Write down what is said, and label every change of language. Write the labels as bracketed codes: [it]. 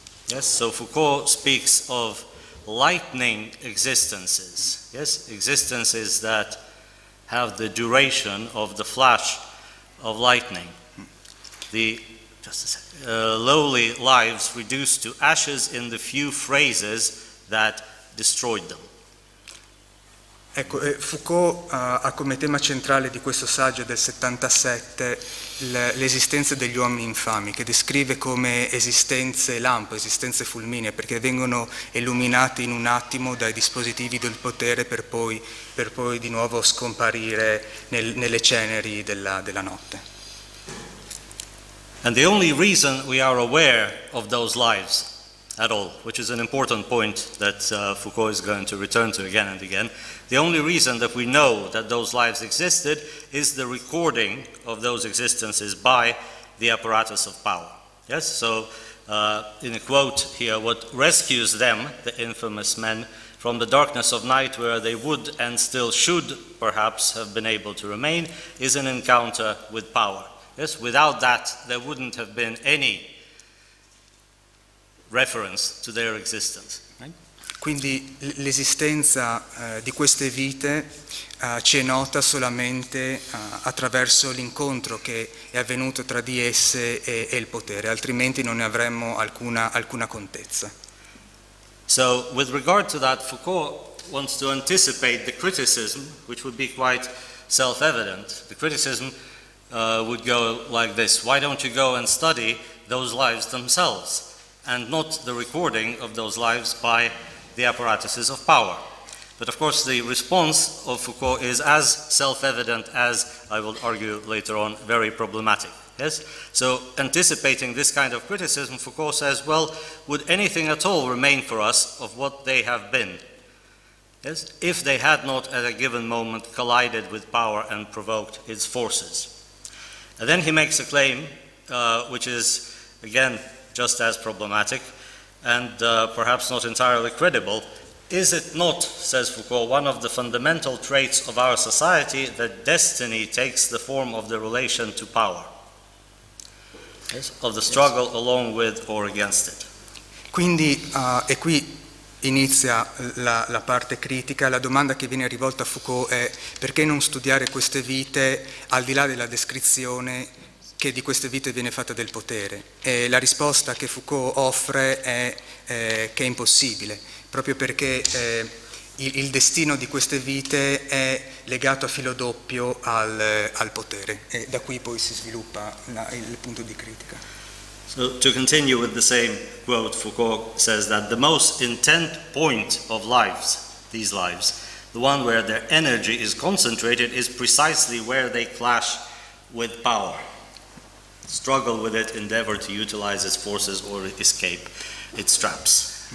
[en] Yes, so Foucault speaks of lightning existences, yes, existences that have the duration of the flash of lightning. The lowly lives reduced to ashes in the few phrases that destroyed them. [it] Ecco, Foucault ha come tema centrale di questo saggio del 77 l'esistenza degli uomini infami, che descrive come esistenze lampo, esistenze fulminee, perché vengono illuminati in un attimo dai dispositivi del potere per poi di nuovo scomparire nelle ceneri della notte. [en] And the only reason we are aware of those lives at all, which is an important point that Foucault is going to return to again and again, the only reason that we know that those lives existed is the recording of those existences by the apparatus of power. Yes, so in a quote here, what rescues them, the infamous men, from the darkness of night where they would and still should perhaps have been able to remain is an encounter with power. Yes, without that there wouldn't have been any reference to their existence. [it] Quindi l'esistenza di queste vite ci è nota solamente attraverso l'incontro che è avvenuto tra di esse e il potere, altrimenti non ne avremmo alcuna contezza. [en] So, with regard to that, Foucault wants to anticipate the criticism, which would be quite self-evident. The criticism would go like this: why don't you go and study those lives themselves, and not the recording of those lives by the apparatuses of power? But of course the response of Foucault is as self-evident as, I will argue later on, very problematic. Yes? So anticipating this kind of criticism, Foucault says, well, would anything at all remain for us of what they have been? Yes? If they had not at a given moment collided with power and provoked its forces. And then he makes a claim, which is again just as problematic, and perhaps not entirely credible. Is it not, says Foucault, one of the fundamental traits of our society that destiny takes the form of the relation to power? Yes? Of the struggle, yes, along with or against it. [it] Quindi, e qui inizia la parte critica, la domanda che viene rivolta a Foucault è: perché non studiare queste vite al di là della descrizione che di queste vite viene fatta del potere? E la risposta che Foucault offre è che è impossibile, proprio perché il destino di queste vite è legato a filo doppio al potere, e da qui poi si sviluppa il punto di critica. [en] So, to continue with the same quote, Foucault says that the most intent point of lives, these lives, the one where their energy is concentrated, is precisely where they clash with power, struggle with it, endeavor to utilize its forces or escape its traps.